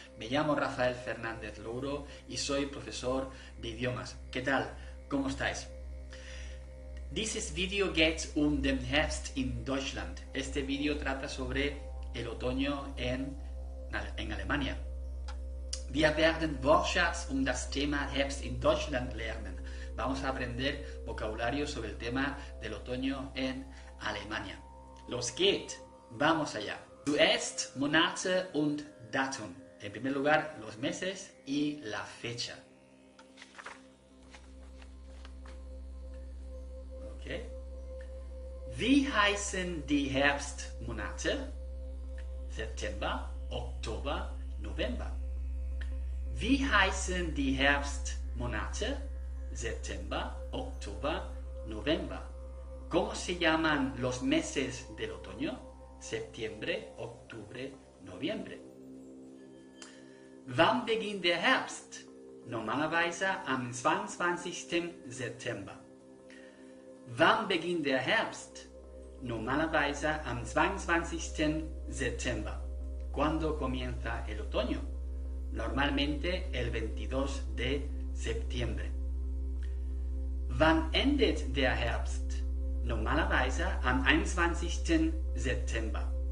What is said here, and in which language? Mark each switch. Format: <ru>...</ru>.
<es>Me llamo Rafael Fernandez Loro y soy profesor de idiomas. ¿Qué tal? ¿Cómo estáis?</es> <de>Dieses Video geht um den Herbst in Deutschland.</de> <es>Este video trata sobre el otoño en Alemania.</es> <de>Wir werden Wortschatz um das Thema Herbst in Deutschland lernen.</de> <es>Vamos a aprender vocabulario sobre el tema del otoño en Alemania.</es> <de>Los geht.</de> <es>Vamos allá.</es> <de>Zuerst Monate und Datum.</de> <es>En primer lugar, los meses y la fecha.</es> <en>Okay.</en> <de>Wie heißen die Herbstmonate? September, Oktober, November. Wie heißen die Herbstmonate? September, Oktober, November.</de> <es>¿Cómo se llaman los meses del otoño? Septiembre, octubre, noviembre.</es> <de>Wann beginnt der Herbst? Normalerweise am 22. September. Wann beginnt der Herbst? Normalerweise am 22. September.</de> <es>¿Cuándo comienza el otoño? Normalmente el 22 de septiembre.</es> <de>Wann endet der Herbst? Normalerweise am 21. September.</de>